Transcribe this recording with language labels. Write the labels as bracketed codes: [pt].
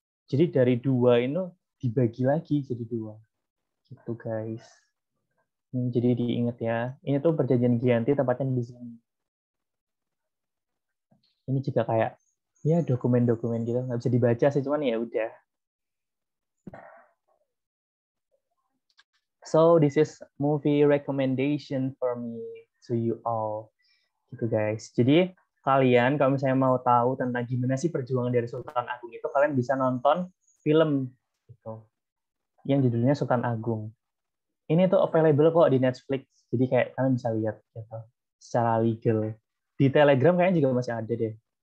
[id] Jadi dari 2 ini dibagi lagi jadi 2. Gitu guys. Jadi diingat ya. Ini tuh perjanjian Giyanti tempatnya di sini. Ini juga kayak ya dokumen-dokumen gitu, enggak bisa dibaca sih, cuman ya udah. [en] So this is movie recommendation for me to you all. [id] Gitu guys. Jadi kalian kalau misalnya mau tahu tentang gimana sih perjuangan dari Sultan Agung itu, kalian bisa nonton film gitu. Yang judulnya Sultan Agung. Ini tuh available kok di Netflix. Jadi kayak kalian bisa lihat gitu, secara legal. Di Telegram kayaknya juga masih ada deh.